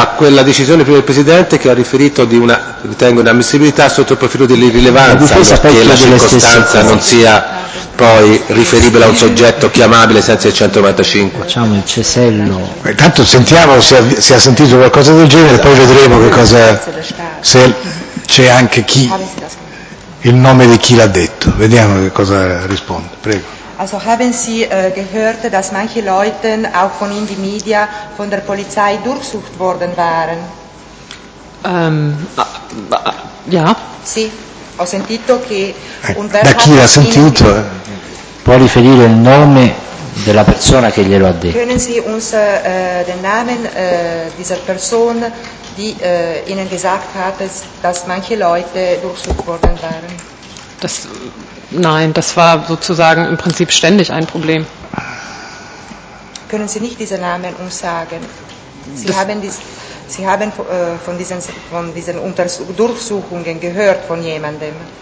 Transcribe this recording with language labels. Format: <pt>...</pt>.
<it>a quella decisione prima del Presidente che ha riferito di una, ritengo, inammissibilità sotto il profilo dell'irrilevanza, perché la circostanza non sia poi riferibile a un soggetto chiamabile senza il 195. Facciamo il cesello. Intanto sentiamo se ha sentito qualcosa del genere, poi vedremo che cosa, se c'è anche chi, il nome di chi l'ha detto. Vediamo che cosa risponde. Prego.</it> <de>Also haben Sie gehört, dass manche Leute auch von in die Media von der Polizei durchsucht worden waren? Ja.</de> <it>Sì. Ho sentito che un da chi l'ha sentito può riferire il nome della persona che glielo ha detto.</it> <de>Können Sie uns den Namen dieser Person, die Ihnen gesagt hat, dass manche Leute durchsucht worden waren? Nein, das war sozusagen im Prinzip ständig ein Problem. Können Sie nicht diesen Namen uns sagen? Sie haben von diesen Durchsuchungen gehört von jemandem.</de>